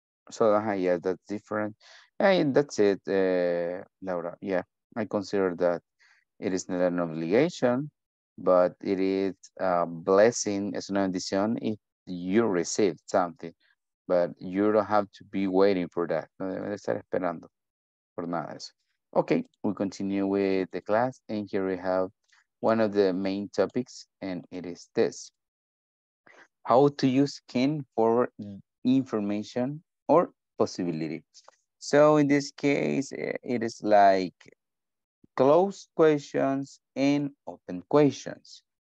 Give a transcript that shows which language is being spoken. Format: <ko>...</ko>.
<en>So, yeah, that's different. And that's it, Laura. Yeah, I consider that it is not an obligation, but it is a blessing,</en> <es>es una bendición,</es> <en>if you receive something. But you don't have to be waiting for that.</en> <es>No debe estar esperando por nada de eso.</es> <en>Okay, we continue with the class. And here we have one of the main topics, and it is this. How to use can for information or possibility. So in this case, it is like closed questions and open questions.</en>